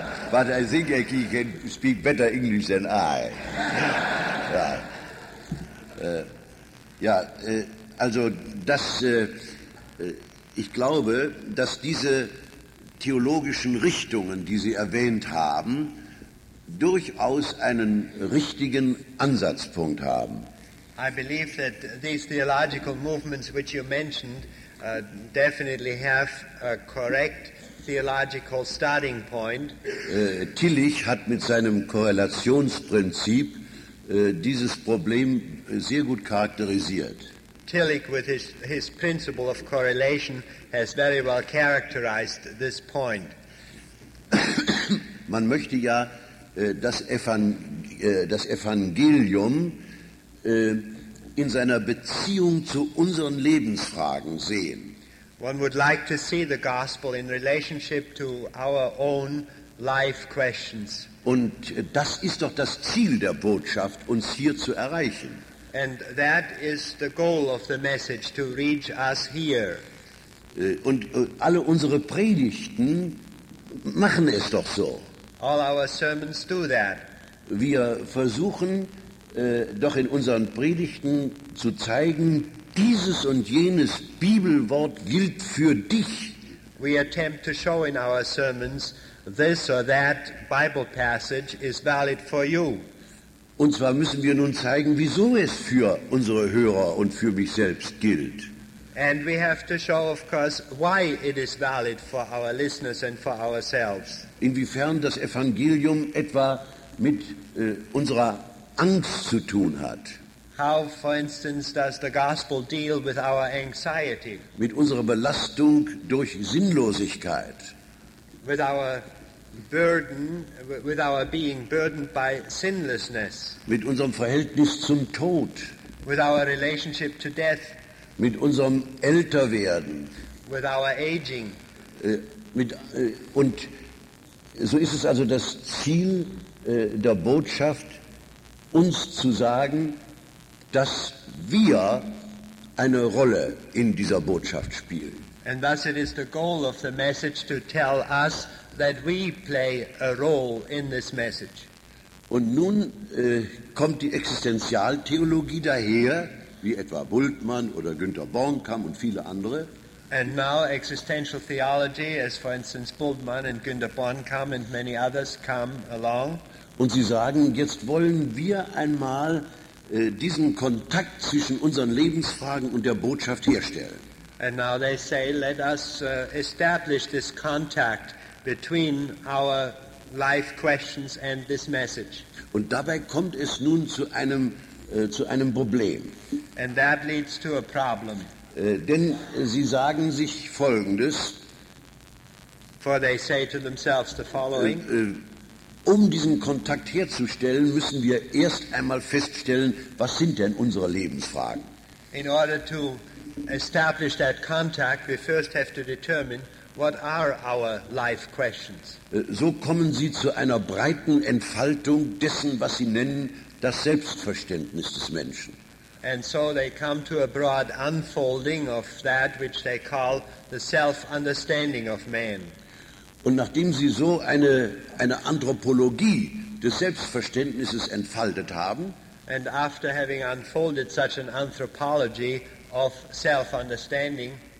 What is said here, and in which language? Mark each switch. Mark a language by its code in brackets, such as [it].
[en] But I think he can speak better English than I. [de] Ja, ja, also das, ich glaube, dass diese theologischen Richtungen, die Sie erwähnt haben, durchaus einen richtigen Ansatzpunkt haben. [en] I believe that these theological movements which you mentioned definitely have a correct theological starting point. [de] Tillich hat mit seinem Korrelationsprinzip dieses Problem sehr gut charakterisiert. [en] Tillich with his principle of correlation has very well characterized this point. [de] Man möchte ja das Evangelium in seiner Beziehung zu unseren Lebensfragen sehen. [en] One would like to see the gospel in relationship to our own life questions. [de] Und das ist doch das Ziel der Botschaft, uns hier zu erreichen. [en] And that is the goal of the message, to reach us here. [de] Und alle unsere Predigten machen es doch so. [en] All our sermons do that. [de] Wir versuchen doch in unseren Predigten zu zeigen, dieses und jenes Bibelwort gilt für dich. [en] We attempt to show in our sermons this or that Bible passage is valid for you. [de] Und zwar müssen wir nun zeigen, wieso es für unsere Hörer und für mich selbst gilt. [en] And we have to show, of course, why it is valid for our listeners and for ourselves. [de] Inwiefern das Evangelium etwa mit unserer Angst zu tun hat. [en] How, for instance, does the gospel deal with our anxiety? [de] Mit unserer Belastung durch Sinnlosigkeit. [en] With our burden, with our being burdened by sinlessness. [de] Mit unserem Verhältnis zum Tod. [en] With our relationship to death. [de] Mit unserem Älterwerden. [en] With our aging. [de] Und so ist es also das Ziel der Botschaft, uns zu sagen, dass wir eine Rolle in dieser Botschaft spielen. [en] And thus it is the goal of the message to tell us that we play a role in this message. [de] Und nun kommt die Existenzialtheologie daher, wie etwa Bultmann oder Günter Bornkamm und viele andere. [en] And now existential theology, as for instance Bultmann and Günter Bornkamm and many others come along. [de] Und sie sagen, jetzt wollen wir einmal diesen Kontakt zwischen unseren Lebensfragen und der Botschaft herstellen. [en] And now they say, let us establish this contact between our life questions and this message. [de] Und dabei kommt es nun zu einem Problem. [en] And that leads to a problem. [de] Denn sie sagen sich Folgendes. [en] For they say to themselves the following. [de] Um diesen Kontakt herzustellen, müssen wir erst einmal feststellen, was sind denn unsere Lebensfragen? [en] In order to establish that contact, we first have to determine what are our life questions. [de] So kommen Sie zu einer breiten Entfaltung dessen, was Sie nennen, das Selbstverständnis des Menschen. [en] And so they come to a broad unfolding of that which they call the self-understanding of man. [de] Und nachdem Sie so eine Anthropologie des Selbstverständnisses entfaltet haben, [en] and after having unfolded such an anthropology of self-understanding,